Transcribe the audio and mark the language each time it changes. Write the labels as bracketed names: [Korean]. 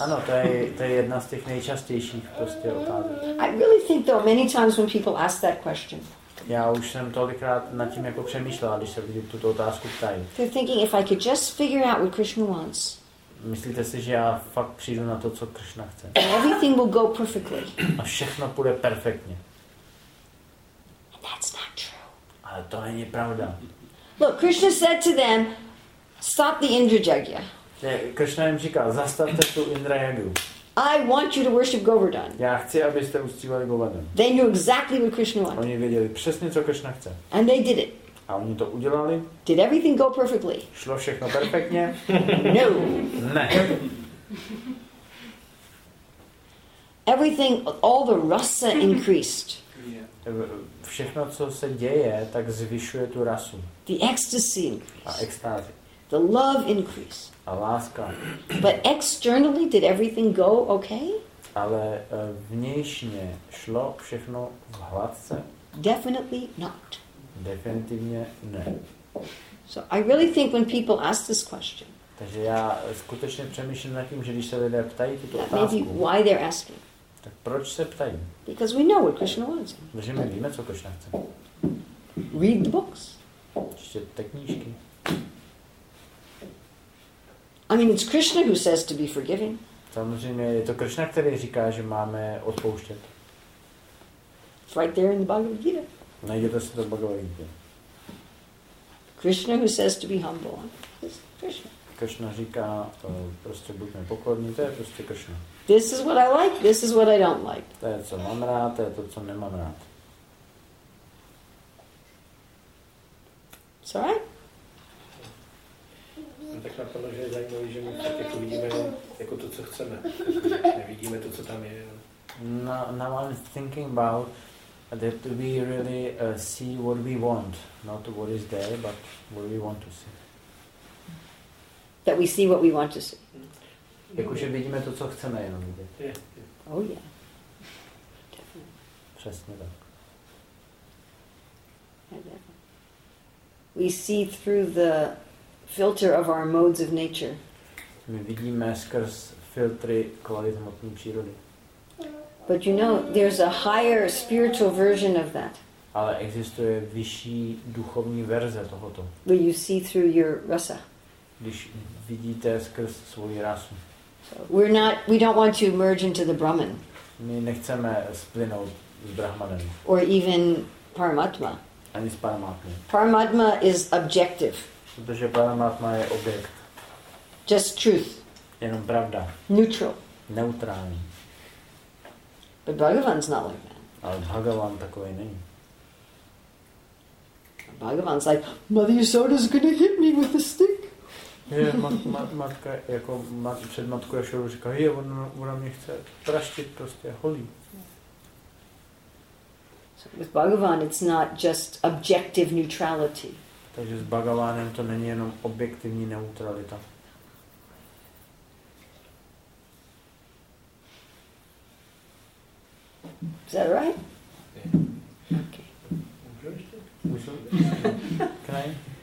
[Czech] Ano, to je jedna z těch nejčastějších prostě otázek. [English] I really think though many times when people ask that question. [Czech] Já už jsem tolikrát nad tím jako přemýšlel, když se lidi tuto otázku ptají. [English] They're thinking if I could just figure out what Krishna wants. [Czech] Myslíte si, že já fakt přijdu na to, co Krishna chce? [English] And everything will go perfectly. [Czech] A všechno půjde perfektně. [English] And that's not true. [Czech] Ale to není pravda. [English] Look, Krishna said to them, stop the Indrajagya. [Czech] Krishna jim říká, zastavte tu Indrajagyu. [English] I want you to worship Govardhan. [Czech] Já chci, abyste uctívali Govardhan. [English] They knew exactly what Krishna wanted. [Czech] Oni věděli přesně, co Krishna chce. [English] And they did it. [Czech] A oni to udělali. [English] Did everything go perfectly? [Czech] Šlo všechno perfektně? [English] No. [Czech] Ne. [English] Everything, all the rasa increased. [Czech] Všechno, co se děje, tak zvyšuje tu rasu. [English] The ecstasy increased. [Czech] A extázi. [English] The love increased. [Czech] A láska. [English] But externally, did everything go okay? [Czech] Ale vnějšně šlo všechno v hladce? [English] Definitely not. [Czech] Definitivně ne. [English] So I really think when people ask this question. [Czech] Takže já skutečně přemýšlím nad tím, že když se lidé ptají tuto otázku. [English] Maybe why they're asking. [Czech] Tak proč se ptají? [English] Because we know what Krishna wants. [Czech] Protože my víme, co Krishna chce. [English] Read the books. [Czech] Čtěte knížky. [English] I mean, it's Krishna who says to be forgiving. [Czech] Samozřejmě je to Krishna, který říká, že máme odpouštět. [English] It's right there in the Bhagavad Gita. [Czech] Najděte si to v Bhagavad Gita. [English] Krishna who says to be humble. It's Krishna. [Czech] Krishna říká, prostě buďme pokorní, to je prostě Krishna. [English] This is what I like, this is what I don't like. [Czech] To je, co mám rád, to je to, co nemám rád. [English] It's all right? [Czech] Tak napadlo, že je zajímavý, že my tak jako vidíme jako to, co chceme. Nevidíme to, co tam je. [English] Now I'm thinking about that we really see what we want. Not what is there, but what we want to see. That we see what we want to see. [Czech] Jakože vidíme to, co chceme jenom vidět. [English] Yeah. Oh yeah. [Czech] Přesně tak. [English] We see through the filter of our modes of nature. [Czech] My vidíme skrz filtry kvalit hmotné přírody. [English] But you know, there's a higher spiritual version of that. [Czech] Ale existuje vyšší duchovní verze tohoto. [English] When you see through your rasa. [Czech] Když vidíte skrz svou rasu. [English] We don't want to merge into the Brahman. [Czech] My nechceme splynout s Brahmanem. [English] Or even Paramatma. [Czech] Ani s Paramatmou. [English] Paramatma is objective. [Czech] Protože Paramatma je objekt. [English] Just truth. [Czech] Jenom pravda. [English] Neutral. [Czech] Neutrální. [English] But Bhagavan's not like that. [Czech] Ale Bhagavan takový není. [English] Bhagavan's like, Mother Yasoda's gonna hit me with a stick. [Czech] Je, matka, jako před matku Yasodu říká, je, ona mě chce praštit, prostě holí. [English] So with Bhagavan it's not just objective neutrality. [Czech] Takže s Bhagavánem to není jenom objektivní neutralita. [English] Is that right? Okay.